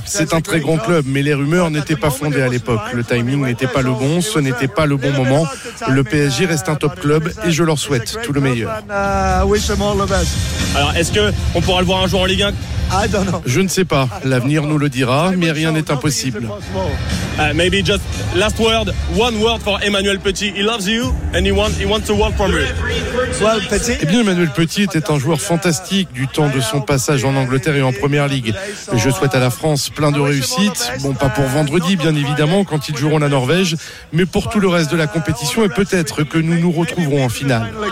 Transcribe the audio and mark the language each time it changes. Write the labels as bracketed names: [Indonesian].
[French] C'est un très grand club, mais les rumeurs n'étaient pas fondées à l'époque. Le timing n'était pas le bon, ce n'était pas le bon moment. Le PSG reste un top club et je leur souhaite tout le meilleur. Alors, est-ce qu'on pourra le voir un jour en Ligue 1? Je ne sais pas, l'avenir nous le dira, mais rien n'est impossible. [English] Maybe just last word, one word for Emmanuel Petit. He loves you and he wants to work for you. Well, Petit. [French] Eh bien, Emmanuel Petit était un joueur fantastique du temps de son passage en Angleterre et en Première Ligue. Je souhaite à la France plein de réussite. Bon, pas pour vendredi, bien évidemment, quand ils joueront la Norvège, mais pour tout le reste de la compétition et peut-être que nous nous retrouverons en finale.